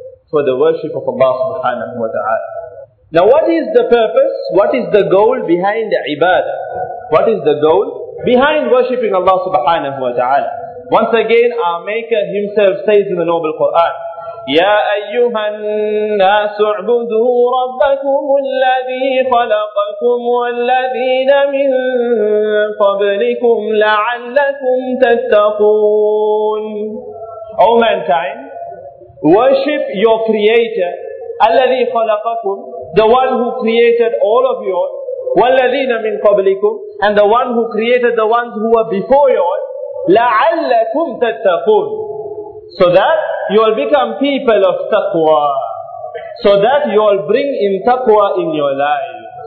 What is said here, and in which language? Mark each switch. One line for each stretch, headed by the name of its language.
English: for the worship of Allah subhanahu wa ta'ala. Now what is the purpose, what is the goal behind the ibadah? What is the goal behind worshipping Allah subhanahu wa ta'ala? Once again, our Maker Himself says in the Noble Quran,
Arabic: يَا أَيُّهَا النَّاسُ اعْبُدُوا رَبَّكُمُ الَّذِي خَلَقَكُمْ وَالَّذِينَ مِنْ قَبْلِكُمْ لَعَلَّكُمْ تَتَّقُونَ.
English: All mankind, worship your Creator,
Arabic: الَّذِي خَلَقَكُمْ,
English: the one who created all of you,
Arabic: وَالَّذِينَ مِنْ قَبْلِكُمْ,
English: and the one who created the ones who were before you,
Arabic: لَعَلَّكُمْ تَتَّقُونَ,
English: so that you will become people of taqwa, so that you will bring in taqwa in your life.